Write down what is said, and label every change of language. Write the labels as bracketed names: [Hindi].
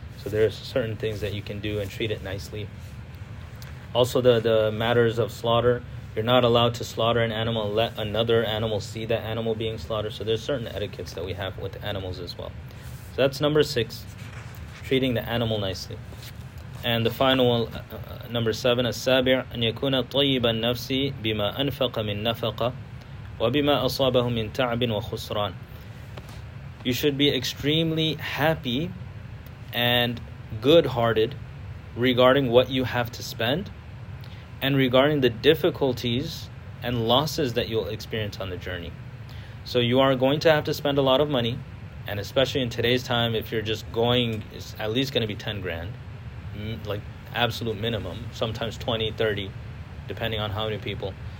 [English] So there are certain things that you can do and treat it nicely. Also, the matters of slaughter, you're not allowed to slaughter an animal and let another animal see that animal being slaughtered. So there's certain etiquettes that we have with animals as well. So that's number six, treating the animal nicely. And the final one, number seven, [Arabic] السابع أن يكون طيب النفس بما أنفق من نفقة وبما أصابه من تعب وخسران. [English] You should be extremely happy and good-hearted regarding what you have to spend and regarding the difficulties and losses that you'll experience on the journey. So you are going to have to spend a lot of money, and especially in today's time, if you're just going, it's at least going to be 10 grand, like absolute minimum, sometimes 20, 30, depending on how many people.